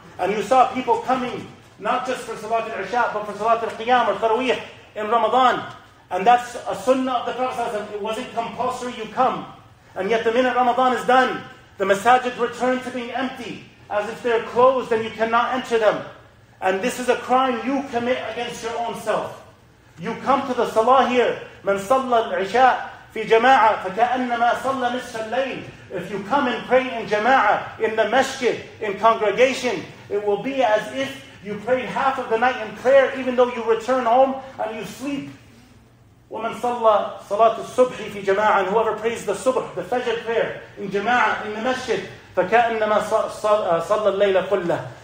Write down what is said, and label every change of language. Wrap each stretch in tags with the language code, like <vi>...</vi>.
<en>And you saw people coming, not just for Salat al-Isha, but for Salat al-Qiyam or Tarawih in Ramadan. And that's a sunnah of the Prophet. It wasn't compulsory, you come. And yet the minute Ramadan is done, the masajid return to being empty, as if they're closed and you cannot enter them. And this is a crime you commit against your own self. You come to the Salah here,</en> <ar>من صلى العشاء في جماعة فكأنما صلى نصف الليل.</ar> <en>If you come and pray in jama'ah, in the masjid, in congregation, it will be as if you prayed half of the night in prayer, even though you return home and you sleep.</en> <ar>وَمَنْ صَلَّى صَلَاةُ الصُّبْحِ فِي جَمَاعَةٍ.</ar> <en>Whoever prays the subh, the fajr prayer, in jama'ah, in the masjid,</en> <ar>فَكَأَنَّمَا صَلَّى اللَّيْلَ كُلَّهُ.</ar>